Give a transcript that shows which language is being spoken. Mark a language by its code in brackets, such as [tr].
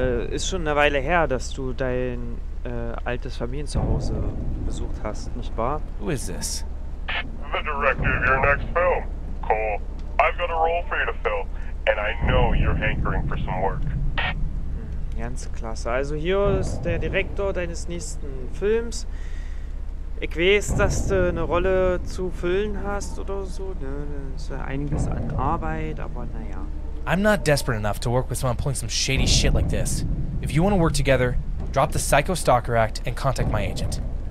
[de] Ist schon eine Weile her, dass du dein altes Familienzuhause besucht hast, nicht wahr? [en] Who is this? The director of your next film, Coal. I've got a role for you to fill, and I know you're hankering for some work. [de] Ganz klasse. Also hier ist der Direktor deines nächsten Films. Ich weiß, dass du eine Rolle zu füllen hast oder so. Ne? Das ist einiges an Arbeit, aber naja. [en] I'm not desperate enough to work with someone pulling some shady shit like this. If you want to work together, drop the Psycho Stalker Act and contact my agent.